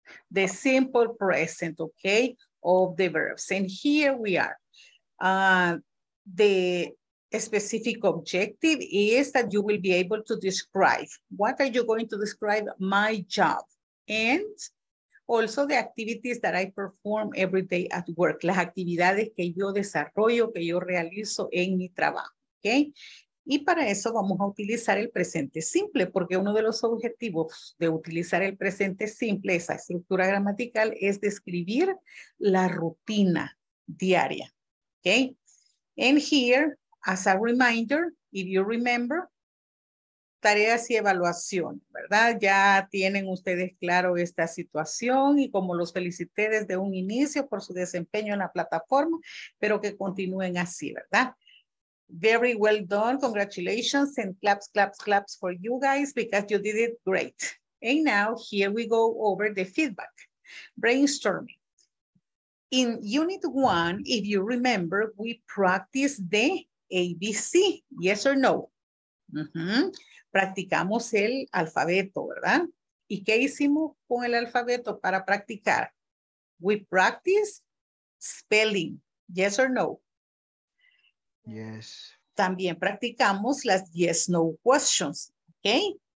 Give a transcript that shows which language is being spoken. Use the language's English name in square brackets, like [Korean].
[English] The simple present, okay, of the verbs. And here we are. The specific objective is that you will be able to describe. What are you going to describe? My job. And also the activities that I perform every day at work. [Spanish] Las actividades que yo desarrollo, que yo realizo en mi trabajo. Okay? Y para eso vamos a utilizar el presente simple, porque uno de los objetivos de utilizar el presente simple, esa estructura gramatical, es describir la rutina diaria. Okay? [English] And here, as a reminder, if you remember, [Spanish] tareas y evaluación, ¿verdad? Ya tienen ustedes claro esta situación y como los felicité desde un inicio por su desempeño en la plataforma, pero que continúen así, ¿verdad? [English] Very well done. Congratulations and claps, claps, claps for you guys because you did it great. And now here we go over the feedback. Brainstorming. In unit one, if you remember, we practiced the ABC. Yes or no? [Spanish] Mm-hmm. Practicamos el alfabeto, ¿verdad? ¿Y qué hicimos con el alfabeto para practicar? [English] We practice spelling. Yes or no? Yes. [Spanish] También practicamos las yes, no questions. ¿Ok?